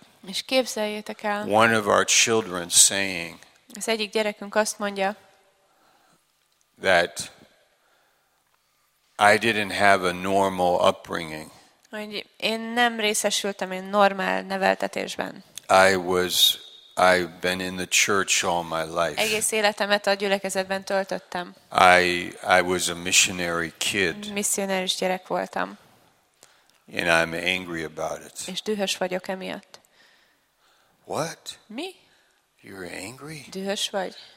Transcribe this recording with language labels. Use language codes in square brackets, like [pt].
[hu] És képzeljétek el. [en] One of our children saying. [hu] Az egyik gyerekünk azt mondja. [en] That I didn't have a normal upbringing. [hu] Hogy én nem részesültem egy normál neveltetésben. [en] I've been in the church all my life. [hu] Egész életemet a gyülekezetben töltöttem. [en] I was a missionary kid. [hu] Misszionáris gyerek voltam. [en] And I'm angry about it. [hu] És dühös vagyok emiatt. [en] What? [hu] Mi? [en] You're angry? [hu] Dühös vagy?